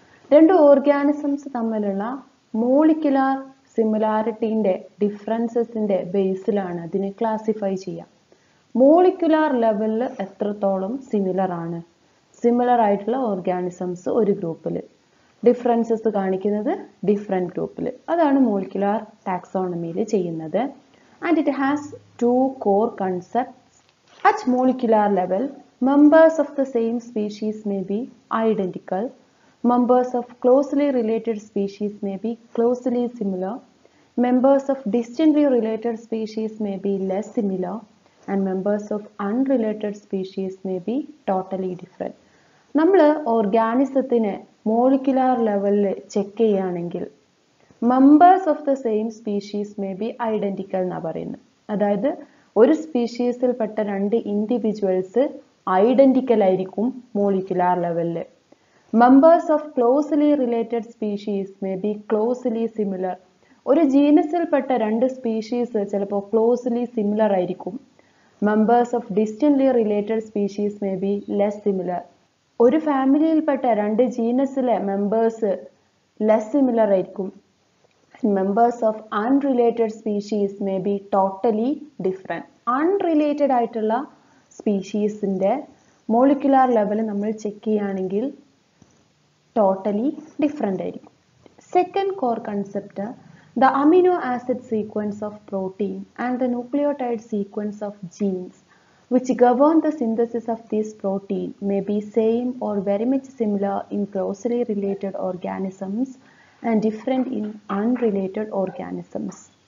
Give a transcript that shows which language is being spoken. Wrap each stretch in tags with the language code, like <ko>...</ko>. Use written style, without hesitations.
<ml>രണ്ട് ഓർഗാനിസംസ് തമ്മിലുള്ള മോളിക്കുലാർ സിമിലാരിറ്റീൻ്റെ ഡിഫറൻസസിൻ്റെ ബേസിലാണ് അതിനെ ക്ലാസിഫൈ ചെയ്യുക. മോളിക്കുലാർ ലെവലിൽ എത്രത്തോളം സിമിലർ ആണ്, സിമിലർ ആയിട്ടുള്ള ഓർഗാനിസംസ് ഒരു ഗ്രൂപ്പിൽ, ഡിഫറൻസസ് കാണിക്കുന്നത് ഡിഫറെൻ്റ് ഗ്രൂപ്പിൽ, അതാണ് മോളിക്കുലാർ ടാക്സോണമിയിൽ ചെയ്യുന്നത്.</ml> <en>And it has two core concepts. At molecular level members of the same species may be identical, members of closely related species may be closely similar, members of distantly related species may be less similar, and members of unrelated species may be totally different.</en> <ml>നമ്മള് ഓർഗാനിസത്തിനെ molecular ലെവലിൽ check ചെയ്യുകയാണെങ്കിൽ</ml> <en>members of the same species may be identical</en> <ml>എന്നാ പറയുന്നത്. അതായത് ഒരു സ്പീഷീസിൽ പെട്ട രണ്ട് individuals identical ആയിരിക്കും മോളിക്കുലാർ ലെവലിൽ.</ml> <en>Members of closely related species may be closely similar.</en> <ml>ഒരു ജീനസിൽ പെട്ട രണ്ട് സ്പീഷീസ് ചിലപ്പോൾ ക്ലോസ്ലി സിമിലർ ആയിരിക്കും.</ml> <en>Members of distantly related species may be less similar.</en> <ml>ഒരു ഫാമിലിയിൽപ്പെട്ട രണ്ട് ജീനസിലെ മെമ്പേഴ്സ് ലെസ് സിമിലർ ആയിരിക്കും.</ml> <en>Members of unrelated species may be totally different.</en> <ml>Unrelated ആയിട്ടുള്ള സ്പീഷീസിൻ്റെ molecular level നമ്മൾ ചെക്ക് ചെയ്യുകയാണെങ്കിൽ ടോട്ടലി ഡിഫറെൻ്റ് ആയിരിക്കും.</ml> <en>Second core concept, the amino acid sequence of protein and the nucleotide sequence of genes which govern the synthesis of these protein may be same or very much similar in closely related organisms and different in unrelated organisms.</en>